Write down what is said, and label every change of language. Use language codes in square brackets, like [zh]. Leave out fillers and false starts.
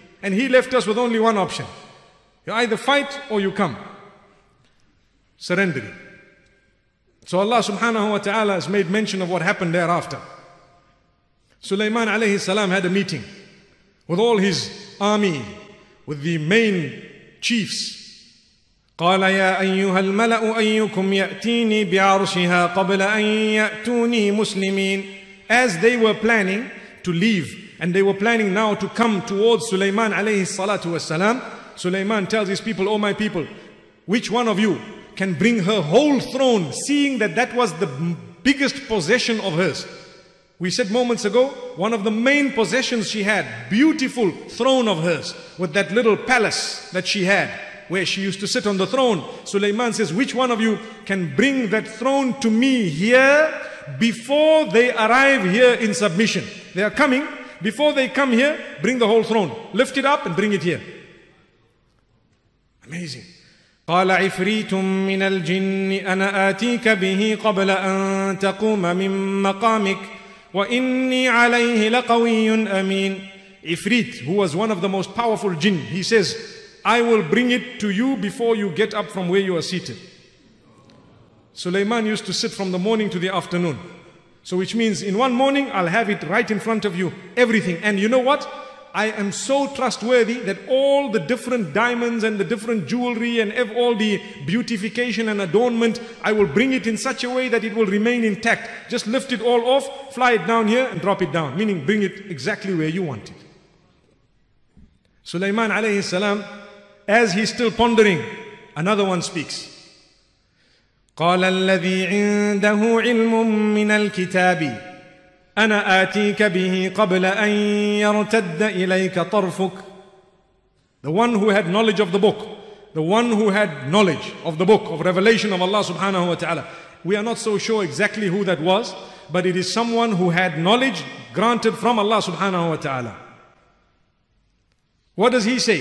[en] And he left us with only one option. You either fight or you come. Surrendering. So Allah subhanahu wa ta'ala has made mention of what happened thereafter. Suleiman alayhi salam had a meeting with all his army, with the main chiefs. [ar] قال يا أيها الملأ أيكم يأتيني بعرشها قبل أن يأتوني مسلمين. [en] As they were planning to leave, and they were planning now to come towards Suleiman alayhi salatu wasalam, Suleiman tells his people, oh my people, which one of you can bring her whole throne, seeing that that was the biggest possession of hers? We said moments ago, one of the main possessions she had, beautiful throne of hers, with that little palace that she had, where she used to sit on the throne. Suleiman says, which one of you can bring that throne to me here before they arrive here in submission? They are coming. Before they come here, bring the whole throne. Lift it up and bring it here. Amazing. [ar] قال عفريت من الجن أنا آتيك به قبل أن تقوم من مقامك وإني عليه لقوي أمين. [en] عفريت, who was one of the most powerful jinn, he says, I will bring it to you before you get up from where you are seated. Suleiman used to sit from the morning to the afternoon. So which means in one morning, I'll have it right in front of you, everything. And you know what? I am so trustworthy that all the different diamonds and the different jewelry and all the beautification and adornment, I will bring it in such a way that it will remain intact. Just lift it all off, fly it down here and drop it down. Meaning bring it exactly where you want it. Suleiman alayhi salam, as he's still pondering, another one speaks. [ar] قال الذي عنده علم من الكتاب أنا آتيك به قبل أن يرتد إليك طرفك. [en] The one who had knowledge of the book, the one who had knowledge of the book of revelation of Allah subhanahu wa ta'ala. We are not so sure exactly who that was, but it is someone who had knowledge granted from Allah subhanahu wa ta'ala. What does he say?